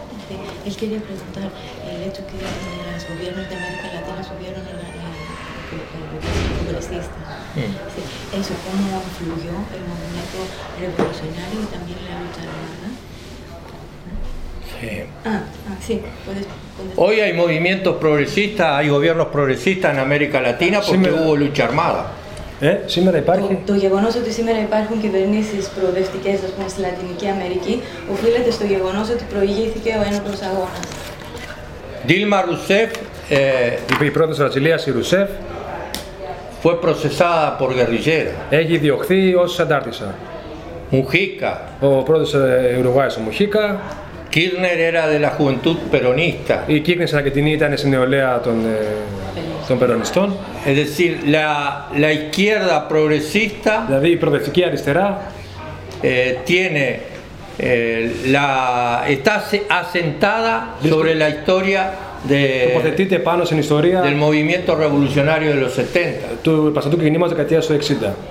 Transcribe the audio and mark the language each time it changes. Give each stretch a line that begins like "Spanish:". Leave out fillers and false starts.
Spanish: parte, él quería preguntar el hecho que los gobiernos de América Latina subieron en el progresista. Sí. Eso, ¿cómo influyó el movimiento revolucionario y también la lucha armada? Sí. Hoy hay movimientos progresistas, hay gobiernos progresistas en América Latina porque hubo lucha armada. ¿Eh? Sí, me reparto.
Greek: Το γεγονός ότι σήμερα υπάρχουν κυβερνήσεις προοδευτικές, ας πούμε, στη Λατινική Αμερική, οφείλεται στο γεγονός ότι προηγήθηκε ο ένοπλος αγώνας.
Spanish: Dilma Rousseff,
Greek: η πρόεδρος της Βραζιλίας, η Rousseff,
Spanish: fue procesada por guerrillera.
Greek: Έχει διωχθεί ως αντάρτισσα. Μουχίκα. Ο πρόεδρος Ουρουγουάης, ο Μουχίκα.
Spanish: Kirchner era de la juventud peronista.
Greek: Η Kirchner στην Αργεντινή ήταν στην νεολαία των περονιστών.
Spanish: Es decir, la izquierda progresista.
Greek: Δηλαδή η προοδευτική αριστερά.
Spanish: Tiene la está asentada sobre la historia de.
Greek: Τοποθετείται πάνω στην ιστορία.
Spanish: Del movimiento revolucionario de los 70.
Greek: Του πασαντού κινήματος δεκαετίας του 60.